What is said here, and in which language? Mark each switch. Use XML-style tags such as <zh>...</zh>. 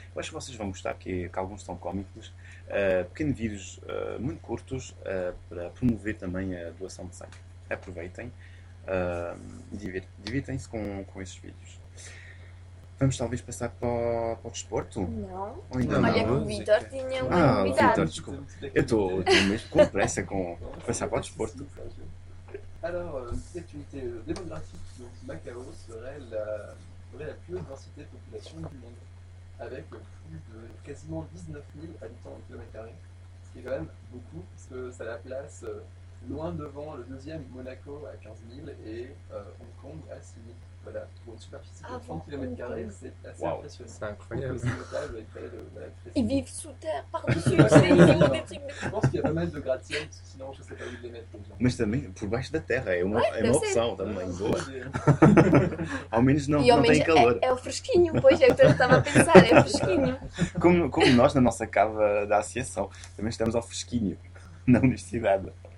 <pt>Eu acho que vocês vão gostar, que alguns são cómicos. Pequenos vídeos muito curtos para promover também a doação de sangue. Aproveitem e divirtam-se com esses vídeos. Vamos talvez passar para o desporto? Não. Ainda não. Olha, que o Vitor tinha uma novidade. Ah, Vitor, desculpa. Eu estou mesmo com pressa com passar para o desporto.</pt> <fr>Alors, cette unité démographique, donc Macao, serait la plus haute densité de population du monde, avec plus de quasiment 19 000 habitants au kilomètre carré, ce qui est quand même beaucoup, parce que ça la place loin devant le deuxième Monaco à 15 000 et Hong Kong à 6 000. Voilà, pour une superficie de 30 km², c'est assez impressionnant. C'est incroyable. C'est notable, ils vivent sous terre, par-dessus. Je pense qu'il y a pas mal de gratte-ciel, sinon je ne sais pas où les mettre. Donc, mais c'est même pour</fr> <pt>baixo da terre, é uma, ouais, é uma opção também boa. Ao menos não, e ao não menos tem calor. É o fresquinho, pois é o que eu estava a pensar, é fresquinho. Como nós na nossa cava da Associação, também estamos ao fresquinho, na universidade.</pt>